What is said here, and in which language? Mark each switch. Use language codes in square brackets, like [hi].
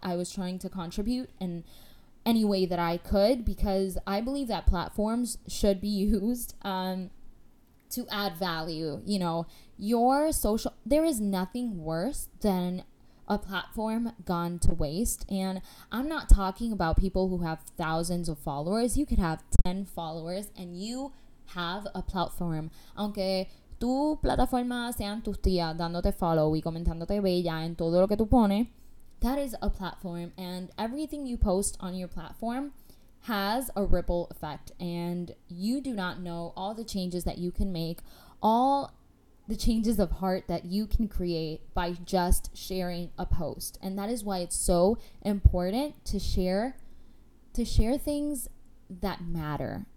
[en] I was trying to contribute in any way that I could, because I believe that platforms should be used to add value. You know, your social, there is nothing worse than a platform gone to waste. And I'm not talking about people who have thousands of followers. You could have 10 followers and you have a platform. [es] Aunque tu plataforma sean tus tías dándote follow y comentándote bella en todo lo que tú pones, [en] that is a platform. And everything you post on your platform has a ripple effect. And you do not know all the changes that you can make, all the changes of heart that you can create by just sharing a post. And that is why it's so important to share things that matter.